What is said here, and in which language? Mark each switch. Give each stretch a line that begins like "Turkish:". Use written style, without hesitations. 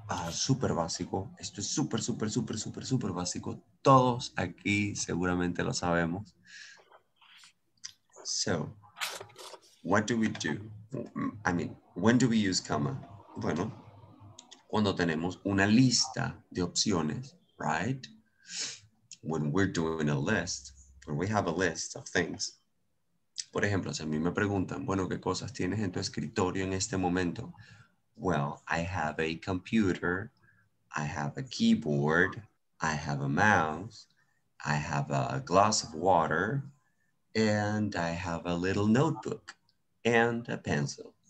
Spanish: súper básico. Esto es súper, súper, súper, súper, súper básico. Todos aquí seguramente lo sabemos.
English: So, what do we do? I mean, when do we use comma?
Spanish: Bueno, cuando tenemos una lista de opciones, right?
English: When we're doing a list, when we have a list of things.
Spanish: Por ejemplo, si a mí me preguntan, bueno, ¿qué cosas tienes en tu escritorio en este momento?
English: Well, I have a computer, I have a keyboard, I have a mouse, I have a glass of water, and I have a little notebook and a pencil.